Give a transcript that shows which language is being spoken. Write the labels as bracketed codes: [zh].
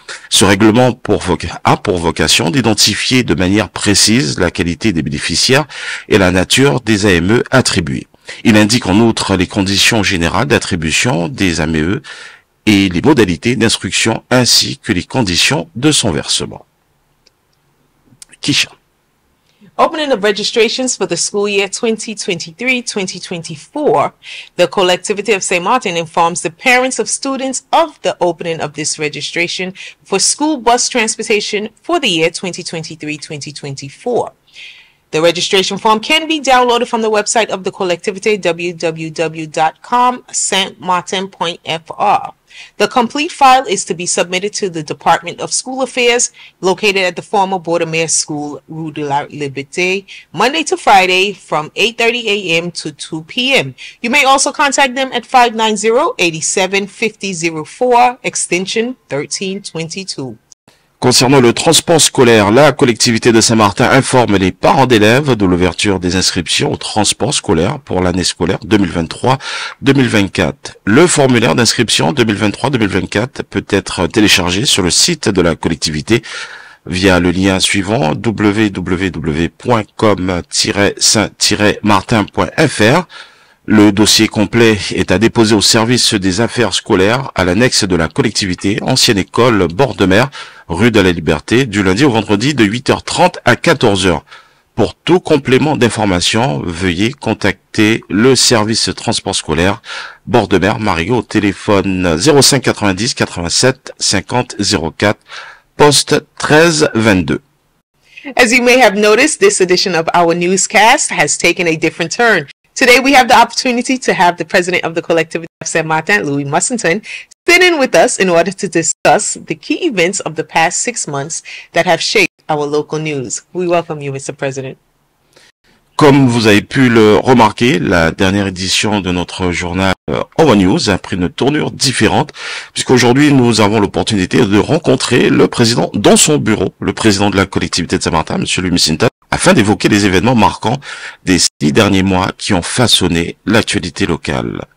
[fr] Ce règlement a pour vocation d'identifier de manière précise la qualité des bénéficiaires et la nature des AME attribuées. Il indique en outre les conditions générales d'attribution des AME et les modalités d'instruction ainsi que les conditions de son versement. Kisha. [en] Opening of registrations for the school year 2023-2024, the collectivity of St. Martin informs the parents of students of the opening of this registration for school bus transportation for the year 2023-2024. The registration form can be downloaded from the website of the collectivity, www.com.stmartin.fr. The complete file is to be submitted to the Department of School Affairs, located at the former Bordemare School, Rue de la Liberté, Monday to Friday from 8:30 a.m. to 2 p.m. You may also contact them at 590-87-5004, extension 1322. [fr] Concernant le transport scolaire, la collectivité de Saint-Martin informe les parents d'élèves de l'ouverture des inscriptions au transport scolaire pour l'année scolaire 2023-2024. Le formulaire d'inscription 2023-2024 peut être téléchargé sur le site de la collectivité via le lien suivant www.com-saint-martin.fr. Le dossier complet est à déposer au service des affaires scolaires à l'annexe de la collectivité Ancienne École Bordemare, rue de la Liberté, du lundi au vendredi de 8h30 à 14h. Pour tout complément d'information, veuillez contacter le service transport scolaire Bordemare Mario au téléphone 05 90 87 50 04 poste 13 22. [en] As you may have noticed, this edition of our newscast has taken a different turn. Today, we have the opportunity to have the president of the collectivity of Saint-Martin, Louis Mussington, sit in with us in order to discuss the key events of the past 6 months that have shaped our local news. We welcome you, Mr. President. [fr] Comme vous avez pu le remarquer, la dernière édition de notre journal Our News a pris une tournure différente, puisqu'aujourd'hui, nous avons l'opportunité de rencontrer le président dans son bureau, le président de la collectivité de Saint-Martin, Monsieur Louis Mussington, afin d'évoquer les événements marquants des 6 derniers mois qui ont façonné l'actualité locale.